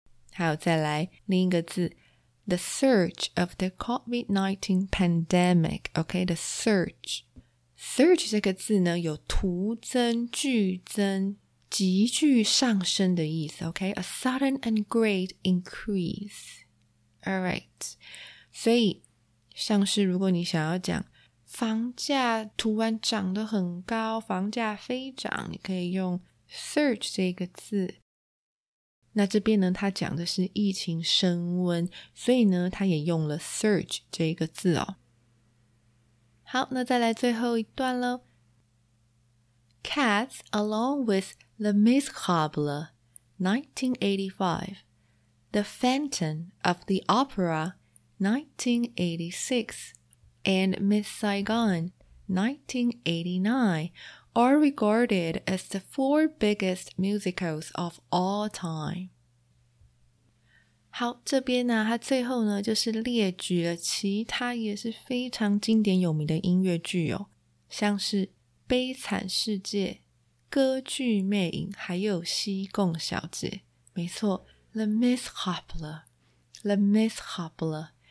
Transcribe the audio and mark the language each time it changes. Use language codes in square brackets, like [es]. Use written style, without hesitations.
[zh] 还有再来另一个字 [en] The surge of the COVID-19 pandemic OK, [zh] the surge Surge 这个字呢有突增、剧增、急剧上升的意思 OK, [en] a sudden and great increase Alright [zh] 所以像是如果你想要讲房价突然涨得很高房价飞涨你可以用Surge 这个字，那这边呢，它讲的是疫情升温，所以呢，它也用了 Surge 这个字哦。好，那再来最后一段咯。 [en] Cats, along with the Miss Cobbler, 1985, The Phantom of the Opera, 1986, and Miss Saigon, 1989,are regarded as the four biggest musicals of all time. [zh] 好，这边呢，它最后呢，就是列举了其他也是非常经典有名的音乐剧哦，像是《悲惨世界》、《歌剧魅影》还有《西贡小姐》。没错，《The Miss Cobbler》，《The Miss Cobbler》。